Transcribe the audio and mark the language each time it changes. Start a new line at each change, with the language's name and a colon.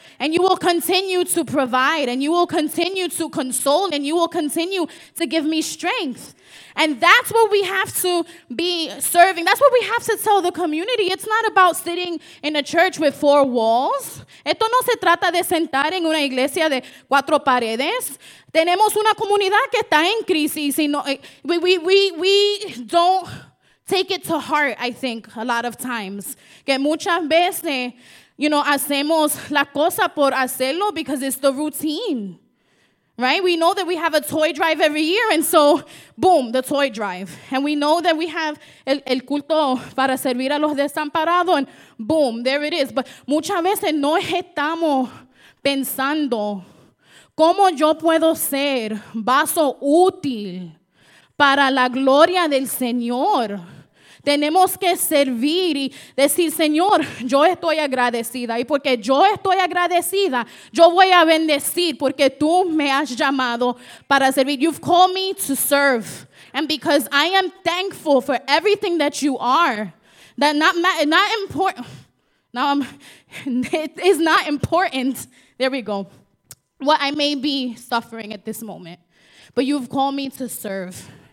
English: And you will continue to provide, and you will continue to console, and you will continue to give me strength. And that's what we have to be serving. That's what we have to tell the community. It's not about sitting in a church with four walls.
Spanish: Esto no se trata de sentar en una iglesia de cuatro paredes. Tenemos una comunidad que está en crisis.
English: We don't take it to heart, I think, a lot of times.
Spanish: Que muchas veces, you know, hacemos la cosa por hacerlo
English: because it's the routine. Right? We know that we have a toy drive every year, and so, boom, the toy drive. And we know that we have
Spanish: el culto para servir a los desamparados,
English: and boom, there it is. But
Spanish: muchas veces no estamos pensando cómo yo puedo ser vaso útil para la gloria del Señor. Tenemos que servir y decir, Señor, yo estoy agradecida. Y porque yo estoy agradecida, yo voy a bendecir porque tú me has llamado para servir.
English: You've called me to serve. And because I am thankful for everything that you are, that not important. Now, it is not important. There we go. what I may be suffering at this moment, but you've called me to serve.